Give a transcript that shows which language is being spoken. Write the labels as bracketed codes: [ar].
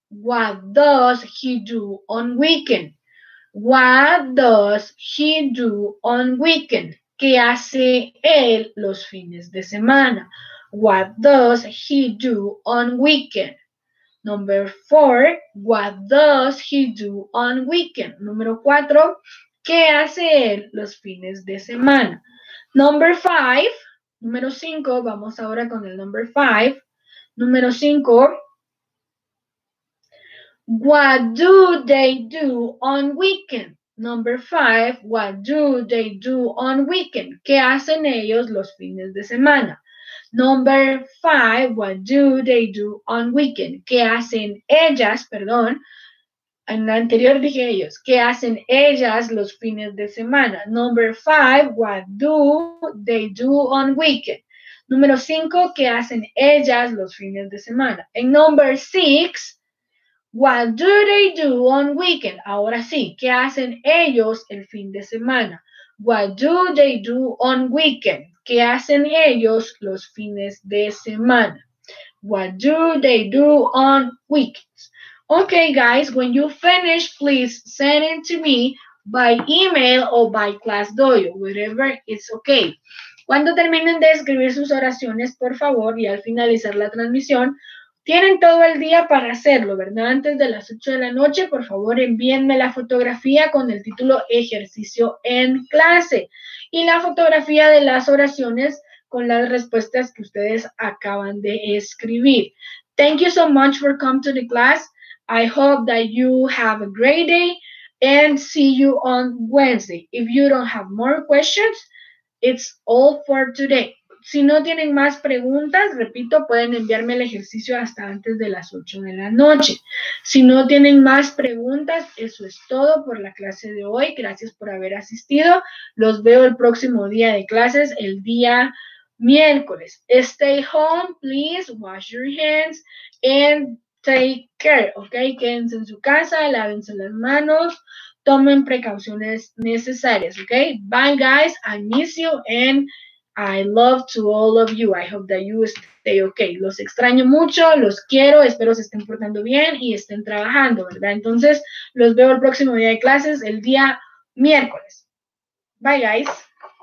[en] What does he do on weekend? What does he do on weekend? [es] ¿Qué hace él los fines de semana? [en] What does he do on weekend? Number four, what does he do on weekend? [es] Número cuatro, ¿qué hace él los fines de semana? [en] Number five, [es] número cinco, vamos ahora con el [en] number five. [es] Número cinco, [en] what do they do on weekend? Number five, what do they do on weekend? [es] ¿Qué hacen ellos los fines de semana? [en] Number five, what do they do on weekend? [es] ¿Qué hacen ellas, perdón, en la anterior dije ellos, ¿qué hacen ellas los fines de semana? [en] Number five, what do they do on weekend? [es] Número cinco, ¿qué hacen ellas los fines de semana? [en] En number six, what do they do on weekend? [es] Ahora sí, ¿qué hacen ellos el fin de semana? [en] What do they do on weekend? [es] ¿Qué hacen ellos los fines de semana? [en] What do they do on weekends? Okay, guys, when you finish, please send it to me by email or by ClassDojo, whatever is okay. [es] Cuando terminen de escribir sus oraciones, por favor, y al finalizar la transmisión, tienen todo el día para hacerlo, ¿verdad? Antes de las 8 de la noche, por favor, envíenme la fotografía con el título Ejercicio en Clase y la fotografía de las oraciones con las respuestas que ustedes acaban de escribir. [en] Thank you so much for coming to the class. I hope that you have a great day and see you on Wednesday. If you don't have more questions, it's all for today. [es] Si no tienen más preguntas, repito, pueden enviarme el ejercicio hasta antes de las 8 de la noche. Si no tienen más preguntas, eso es todo por la clase de hoy. Gracias por haber asistido. Los veo el próximo día de clases, el día miércoles. [en] Stay home, please, wash your hands and take care, ¿ok? [es] Quédense en su casa, lávense las manos, tomen precauciones necesarias, ¿ok? [en] Bye, guys. I miss you and I love to all of you. I hope that you stay okay. [es] Los extraño mucho, los quiero, espero se estén portando bien y estén trabajando, ¿verdad? Entonces, los veo el próximo día de clases, el día miércoles. [en] Bye, guys.